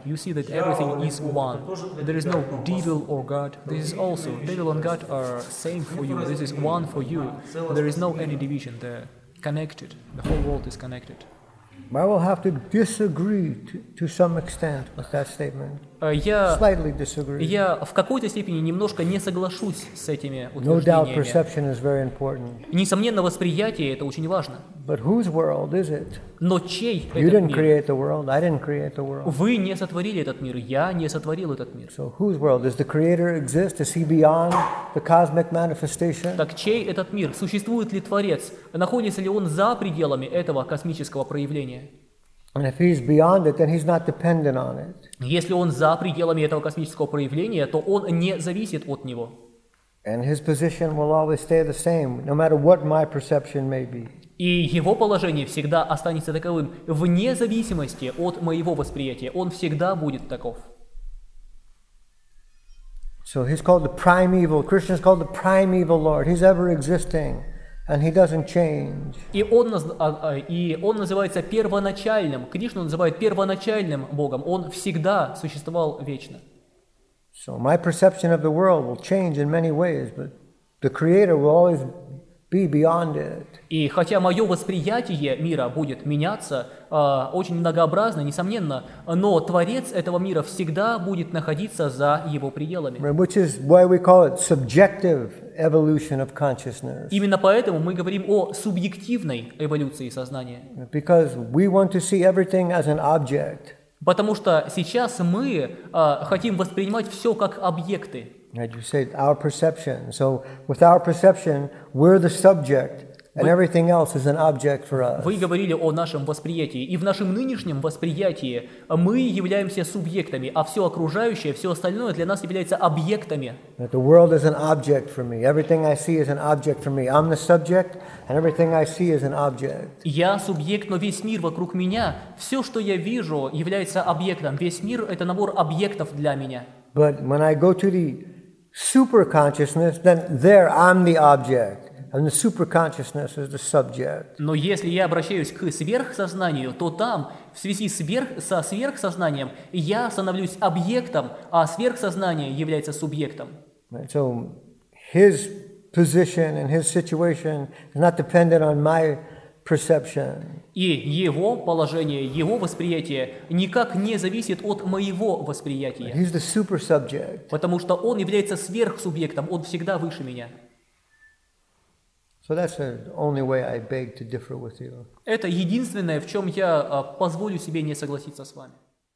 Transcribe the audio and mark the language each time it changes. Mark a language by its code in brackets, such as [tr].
[en] You see that everything is one. There is no devil or God. This is also, devil and God are same for you. This is one for you. There is no any division. They're connected. The whole world is connected. I will have to disagree to some extent with that statement. Slightly disagree. [ru] Я в какой-то степени немножко не соглашусь с этими утверждениями. [en] No doubt perception is very important. [ru] Несомненно, восприятие это очень важно. [en] But whose world is it? [ru] Но чей этот мир? [en] You didn't create the world. I didn't create the world. [ru] Вы не сотворили этот мир. Я не сотворил этот мир. [en] So whose world? Does the creator exist? Is he beyond the cosmic manifestation? [ru] Так чей этот мир? Существует ли Творец? Находится ли он за пределами этого космического проявления? [en] And if he's beyond it, then he's not dependent on it. [ru] Если он за пределами этого космического проявления, то он не зависит от него. [en] And his position will always stay the same, no matter what my perception may be. [ru] И его положение всегда останется таковым, вне зависимости от моего восприятия. Он всегда будет таков. [en] So he's called the primeval. Krishna is called the primeval Lord. He's ever existing. And he doesn't change. [ru] И он называется первоначальным. Кришну называют первоначальным Богом. Он всегда существовал вечно. [en] So my perception of the world will change in many ways, but the Creator will always be beyond it. [ru] И хотя мое восприятие мира будет меняться очень многообразно, несомненно, но Творец этого мира всегда будет находиться за его пределами. [en] Which is why we call it subjective evolution of consciousness. [ru] Именно поэтому мы говорим о субъективной эволюции сознания. [en] Because we want to see everything as an object. [ru] Потому что сейчас мы хотим воспринимать все как объекты. [en] Right, you said our perception. So with our perception, we're the subject. And everything else is an object for us. [ru] Вы говорили о нашем восприятии, и в нашем нынешнем восприятии мы являемся субъектами, а все окружающее, все остальное для нас является объектами. [en] The world is an object for me. Everything I see is an object for me. I'm the subject, and everything I see is an object. [ru] Я субъект, но весь мир вокруг меня, все, что я вижу, является объектом. Весь мир — это набор объектов для меня. [en] But when I go to the super consciousness, then there I'm the object. And the superconsciousness is the subject. [ru] Но если я обращаюсь к сверхсознанию, то там, в связи со сверхсознанием, я становлюсь объектом, а сверхсознание является субъектом. [en] Right. So his position and his situation is not dependent on my perception. [ru] И его положение, его восприятие никак не зависит от моего восприятия. [en] He's the super subject. [ru] Потому что он является сверхсубъектом, он всегда выше меня. [en] So that's the only way I beg to differ with you. [ru] Это единственное, в чем я позволю себе не согласиться с вами.